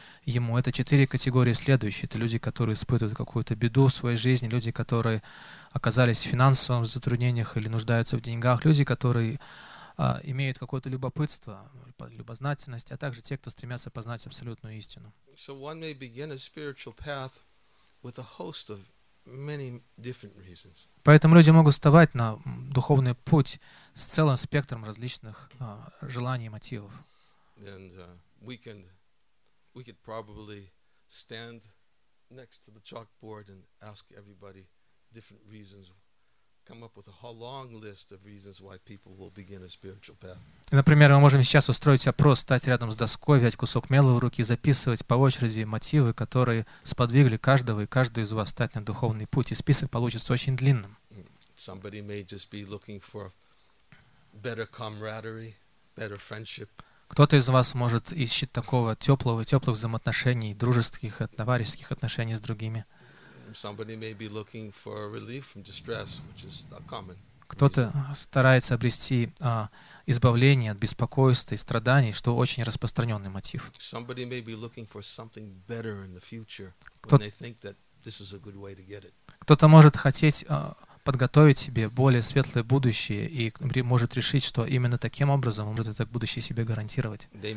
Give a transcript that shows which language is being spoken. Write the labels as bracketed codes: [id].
[ru] Ему это четыре категории следующие. Это люди, которые испытывают какую-то беду в своей жизни, люди, которые оказались в финансовом затруднениях или нуждаются в деньгах, люди, которые имеют какое-то любопытство, любознательность, а также те, кто стремятся познать абсолютную истину. [en] So one may begin a spiritual path with a host of many different reasons. [ru] Поэтому люди могут вставать на духовный путь с целым спектром различных желаний и мотивов. [en] And we could probably stand next to the chalkboard and ask everybody different reasons, come up with a whole long list of reasons why people will begin a spiritual path. [ru] Например, мы можем сейчас устроить опрос, стать рядом с доской, взять кусок мела в руки и записывать по очереди мотивы, которые сподвигли каждого и каждую из вас стать на духовный путь. И список получится очень длинным. [en] Somebody may just be looking for better camaraderie, better friendship. [ru] Кто-то из вас может ищет такого теплых взаимоотношений, дружеских, товарищеских отношений с другими. [en] Somebody may be looking for relief from distress, which is a common. [ru] Кто-то старается обрести избавление от беспокойства и страданий, что очень распространенный мотив. [en] Somebody may be looking for something better in the future when they think that this is a good way to get it. [ru] Кто-то может хотеть подготовить себе более светлое будущее и может решить, что именно таким образом он может это будущее себе гарантировать.